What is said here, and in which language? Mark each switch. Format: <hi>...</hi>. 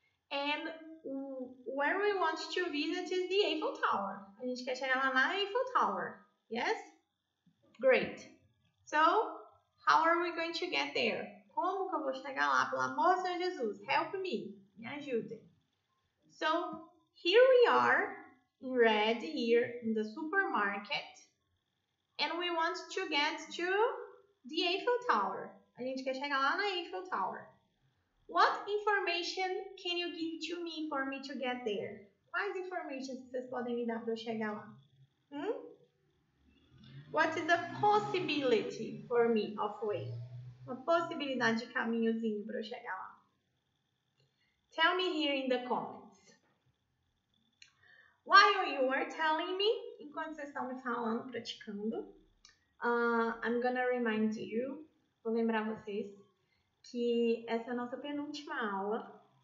<en>And where we want to visit is the Eiffel Tower.</en> <pt>A gente quer chegar lá na Eiffel Tower.</pt> <en>Yes? Great. So, how are we going to get there?</en> <pt>Como que eu vou chegar lá? Pelo amor de Jesus,</pt> <en>help me.</en> <pt>Me ajude.</pt> <en>So, here we are in red here in the supermarket. And we want to get to the Eiffel Tower.</en> <pt>A gente quer chegar lá na Eiffel Tower.</pt> <en>What information can you give to me for me to get there?</en> <pt>Quais informações vocês podem me dar para eu chegar lá?</pt> <en>What is the possibility for me of way?</en> <pt>Uma possibilidade de caminhozinho para eu chegar lá.</pt> <en>Tell me here in the comments. While you are telling me,</en> <pt>enquanto vocês estão me falando, praticando,</pt> <en>I'm gonna remind you,</en> <pt>vou lembrar vocês, que essa é a nossa penúltima aula.</pt>